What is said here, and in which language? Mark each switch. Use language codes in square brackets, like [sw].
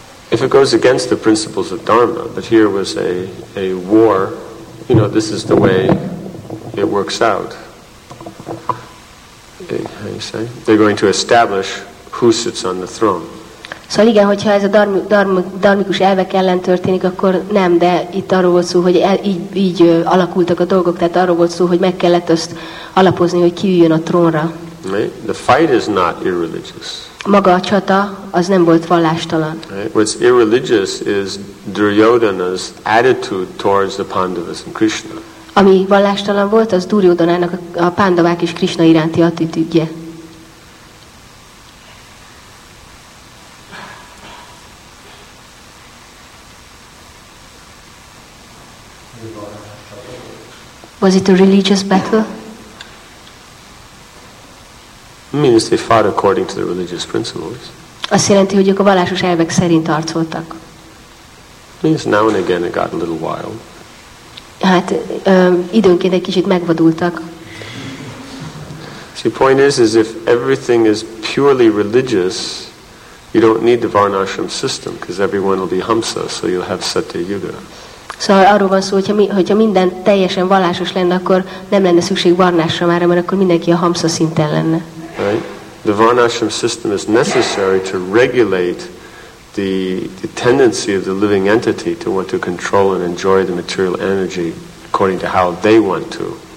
[en] If it goes against the principles of dharma, but here was a war, you know, this is the way it works out. How you say? They're going to establish who sits on the throne. [hu] Szóval igen, hogyha ez a dharmikus elvek ellen történik, akkor nem, de itt arról volt szó, hogy így alakultak a dolgok, tehát arról volt szó, hogy meg kellett azt alapozni, hogy ki üljön a trónra. [en] The fight is not irreligious. [hu] Maga a csata, az nem volt vallástalan. [en] Right? What's irreligious is Duryodhana's attitude towards the Pandavas and Krishna. [hu] Ami vallástalan volt, az Duryodhanának a Pandavák és Krishna iránti attitűdje. [en] Was it a religious battle? It means they fought according to the religious principles. [hu] Azt jelenti, hogy ők a vallásos elvek szerint harcoltak. [en] Means now and again it got a little wild. [hu] Hát időnként egy kicsit megvadultak. [en] See, point is if everything is purely religious, you don't need the Varnashram system, because everyone will be Hamsa, so you'll have Satya Yuga. [hu] Szóval arról van szó, hogyha minden teljesen vallásos lenne, akkor nem lenne szükség Varnashramára, mert akkor mindenki a Hamsa szinten lenne. [en] Right? The Varnashram system is necessary to regulate the tendency of the living entity to want to control and enjoy the material energy according to how they want to.